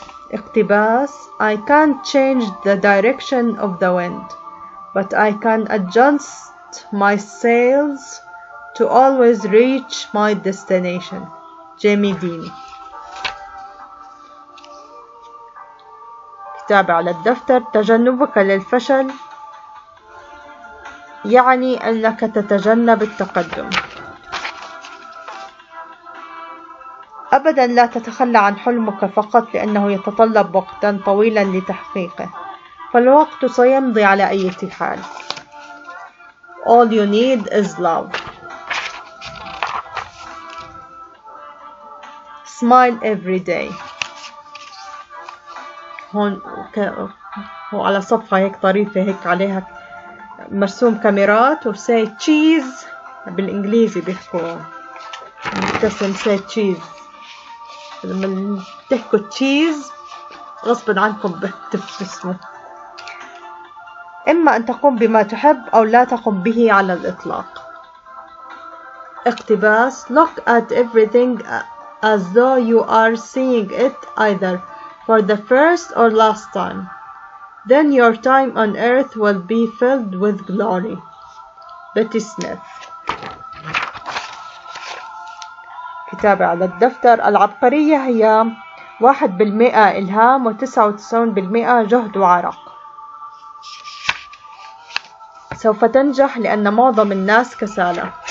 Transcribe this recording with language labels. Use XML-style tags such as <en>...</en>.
<ar>اقتباس:</ar> <en>I can't change the direction of the wind, but I can adjust my sails to always reach my destination. Jamie Dean.</en> <ar>كتاب على الدفتر: تجنبك للفشل يعني أنك تتجنب التقدم. أبدا لا تتخلى عن حلمك فقط لأنه يتطلب وقتا طويلا لتحقيقه، فالوقت سيمضي على أي حال.</ar> <en>All you need is love. Smile every day.</en> <ar>هون وعلى صفحة هيك طريفة هيك عليها مرسوم كاميرات و</ar> <en>say cheese.</en> <ar>بالإنجليزي بيحكوا مبتسم</ar> <en>say cheese.</en> <ar>لما تحكوا تشيز غصبا عنكم بتبتسموا. إما أن تقوم بما تحب أو لا تقوم به على الإطلاق. اقتباس:</ar> <en>Look at everything as though you are seeing it either for the first or last time. Then your time on earth will be filled with glory. Betty Smith.</en> <ar>كتابة على الدفتر: العبقرية هي 1% إلهام و 99% جهد وعرق. سوف تنجح لأن معظم الناس كسالى.</ar>